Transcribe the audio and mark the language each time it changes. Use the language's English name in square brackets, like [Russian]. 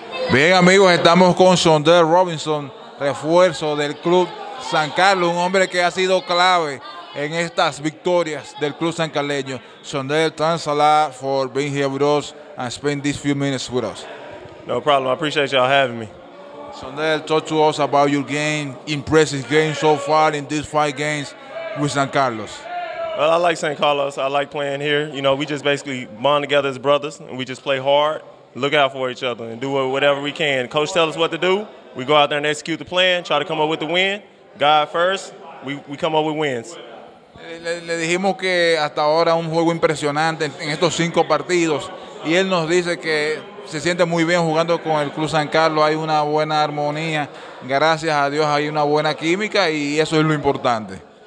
[Spanish] Bien, amigos, estamos con Sondre Robinson, refuerzo del Club San Carlos, un hombre que ha sido clave en estas victorias del Club San Carleño. [English] Sondre, thanks a lot for being here with us and spending these few minutes with us. No problem. I appreciate y'all having me. Sondre, talk to us about your game, impressive game so far in these five games with San Carlos. Well, I like San Carlos. I like playing here. You know, we just basically bond together as brothers, and we just play hard. Look out for each other and do whatever we can. Coach tells us what to do. We go out there and execute the plan, try to come up with the win. God first, we come up with wins. [Spanish] Le dijimos que hasta ahora un juego impresionante en estos cinco partidos. Y él nos dice que se siente muy bien jugando con el Club San Carlos. Hay una buena armonía. Gracias a Dios hay una buena química y eso es lo importante.